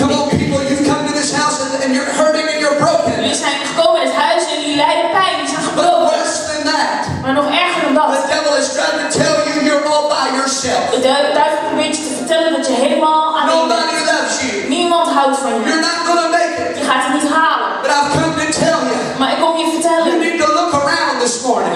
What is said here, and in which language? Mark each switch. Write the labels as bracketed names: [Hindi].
[English] Come on, people, you've come to this house and you're hurting and you're broken. [Dutch] Jullie zijn gekomen in het huis en jullie lijden pijn. Jullie zijn gebroken. [English] But worse than that. [Dutch] Maar nog erger dan dat. [English] The devil is trying to tell you you're all by yourself. [Dutch] De duivel probeert je te vertellen dat je helemaal alleen bent. [English] Nobody loves you. [Dutch] Niemand houdt van je. [English] You're not gonna make it. [Dutch] Je gaat het niet halen. [English] But I've come to tell you. [Dutch] Maar ik kom je vertellen. [English] You need to look around this morning.